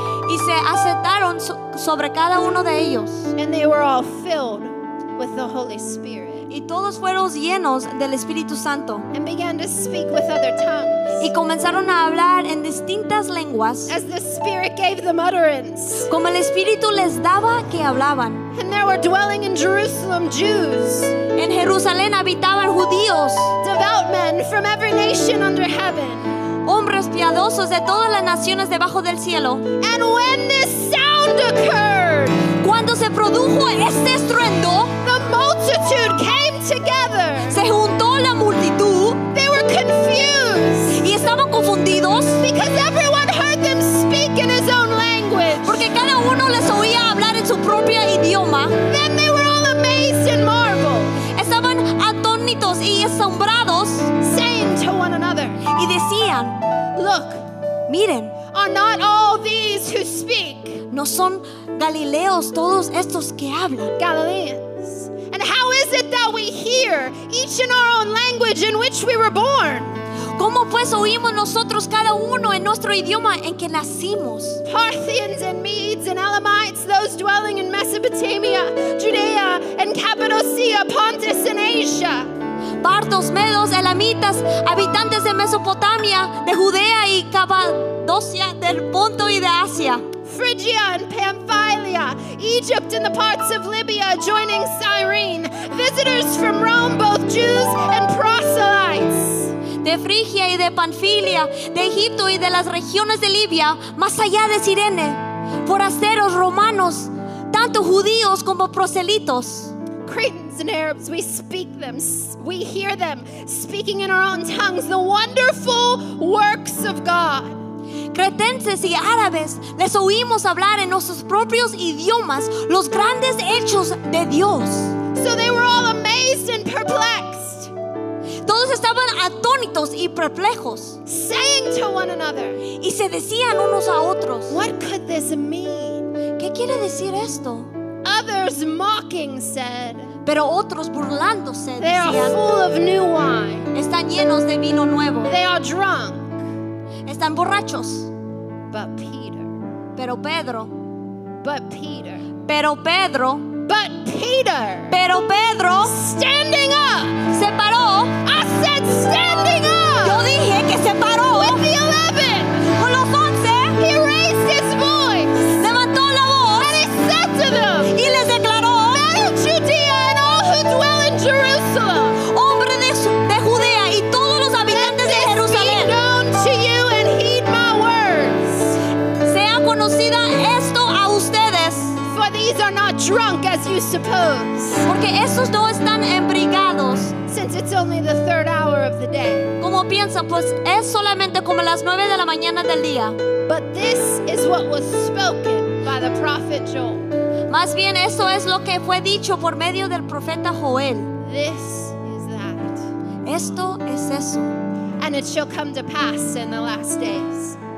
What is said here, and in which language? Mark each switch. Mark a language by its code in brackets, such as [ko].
[es] Y se asentaron sobre cada uno de ellos. [en] And they were all filled with the Holy Spirit. [es] y todos fueron llenos del Espíritu Santo. [en] And began to speak with other tongues. [es] Y comenzaron a hablar en distintas lenguas. [en] As the Spirit gave them utterance. [es] Como el Espíritu les daba que hablaban. [en] And there were dwelling in Jerusalem Jews. [es] En Jerusalén habitaban judíos. [en] Devout men from every nation under heaven. [es] Hombres piadosos de todas las naciones debajo del cielo. [en] And when this sound occurred, [es] cuando se produjo este estruendo, [en] the multitude came together. [es] Se juntó la multitud. [en] They were confused. [es] Y estaban confundidos. [en] Because everyone heard them speak in his own language. [es] Porque cada uno les oía hablar en su propio idioma. [en] Then they were all amazed and marveled. [es] Estaban atónitos y asombrados. [en] Saying to one another, [es] y decían, [en] look, [es] miren, [en] are not all these who speak, [es] no son galileos todos estos que hablan, [en] Galileans, and how is it that we hear each in our own language in which we were born? [es] ¿Cómo pues oímos nosotros cada uno en nuestro idioma en que nacimos? [en] Parthians and Medes and Elamites, those dwelling in Mesopotamia, Judea and Cappadocia, Pontus and Asia. [es] Partos, Medos, Elamitas, habitantes de Mesopotamia, de Judea y Cappadocia, del Ponto y de Asia. [en] Phrygia and Pamphylia, Egypt and the parts of Libya adjoining Cyrene, visitors from Rome, both Jews and proselytes. [es] De Frigia y de Panfilia, de Egipto y de las regiones de Libia, más allá de Cirene, forasteros romanos, tanto judíos como proselitos. [en] Cretans and Arabs, we speak them, we hear them speaking in our own tongues the wonderful works of God. [es] Cretenses y árabes, les oímos hablar en nuestros propios idiomas los grandes hechos de Dios. [en] So they were all amazed and perplexed. [es] Todos estaban atónitos y perplejos. [en] Saying to one another, [es] y se decían unos a otros, [en] what could this mean? [es] ¿Qué quiere decir esto? [en] Others mocking said, [es] pero otros burlándose [en] they [es] decían, [en] are full of new wine. [es] Están llenos de vino nuevo. [en] They are drunk. [es] Están borrachos. [en] But Peter. [es] Pero Pedro. [en] But Peter. [es] Pero Pedro. [en] But Peter. [es] Pero Pedro. [en] Standing up. [es] Se paró. [en] I said standing up. [es] Yo dije que se paró. [en] With the 11. [es] Con los 11. [en] He raised his voice. [es] Levantó la voz. [en] And he said to them. [es] Y les declaró. [en] Men of Judea and all who dwell in Jerusalem. [es] Hombre de Judea y todos los habitantes de Jerusalén. [en] Let this be known to you and heed my words. [es] Sea conocida esto a ustedes. [en] For these are not drunk as you suppose. [es] Porque estos no están embriagados. [en] Since it's only the third hour of the day. [es] Como piensan, pues es solamente como las 9 de la mañana del día. [en] But this is what was spoken by the prophet Joel. [es] Más bien, eso es lo que fue dicho por medio del profeta Joel. [en] This is that. [es] Esto es eso. [en] And it shall come to pass in the last days.